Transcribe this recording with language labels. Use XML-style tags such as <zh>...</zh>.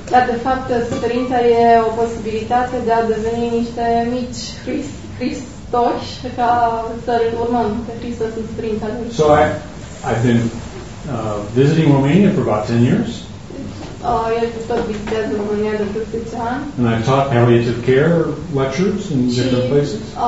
<ro>Dar de fapt, suferința e o posibilitate de a deveni niște mici Hristoși, ca să urmăm pe Hristos în suferința lui.</ro> <en>So I've been visiting Romania for about 10 years.</en> <ro>Eu tot vizitez România de vreo 10 ani.</ro> <en>And I've taught palliative care lectures in different places.</en>